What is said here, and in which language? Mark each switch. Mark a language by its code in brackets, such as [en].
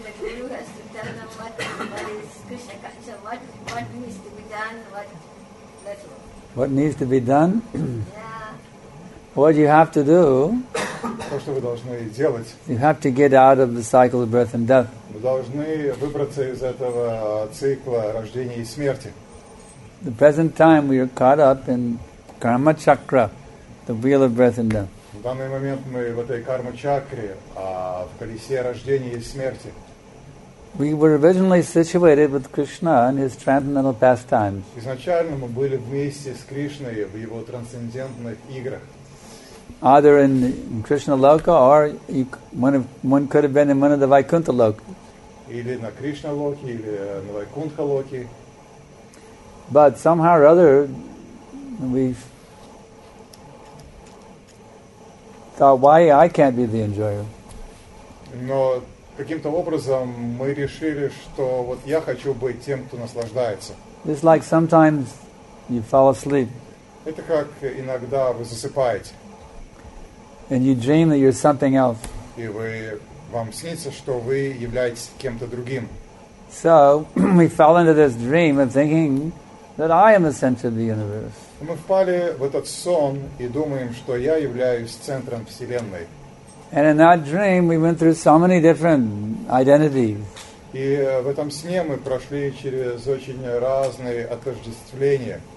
[en] The guru has to tell them what needs to be done. What you have to do. [ru] То, что вы должны делать. [en] You have to get out of the cycle of birth and death. [ru] Вы должны выбраться из этого цикла рождения и смерти. [en] The present time we are caught up in karma chakra, the wheel of birth and death. [ru] В данный момент мы в этой карма чакре, а в колесе рождения и смерти. [en] We were originally situated with Krishna in his transcendental pastimes. [ru] Изначально мы были вместе с Кришной в его трансцендентных играх. [en] Either in Krishna Loka or one could have been in one of the Vaikuntha Loka. [ru] Или на Кришна Локе, или на Вайкунтха Локе. [en] But somehow or other, we thought, why I can't be the enjoyer? [ru] Но каким-то образом мы решили, что вот я хочу быть тем, кто наслаждается. [en] It's like sometimes you fall asleep. [ru] Это как иногда вы засыпаете. [en] And you dream that you're something else. [ru] И вы, вам снится, что вы являетесь кем-то другим. [en] So, we fell into this dream of thinking that I am the center of the universe. [ru] Мы впали в этот сон и думаем, что я являюсь центром Вселенной. [en] And in that dream, we went through so many different identities. [ru] И в этом сне мы прошли через очень разные отождествления.